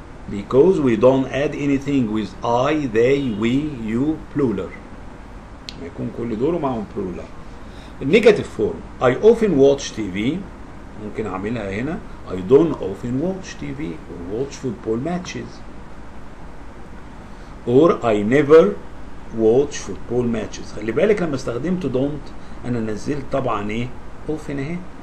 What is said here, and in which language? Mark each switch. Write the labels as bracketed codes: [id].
[en] Because we don't add anything with I, they, we, you, plural. [ar] ما يكون كل دول معهم plural. [en] Negative form. I often watch TV. [ar] ممكن أعملها هنا. [en] I don't often watch TV or watch football matches. Or I never watch football matches. [ar] خلي بالك لما استخدمت don't انا نزلت طبعا ايه؟ often اهي.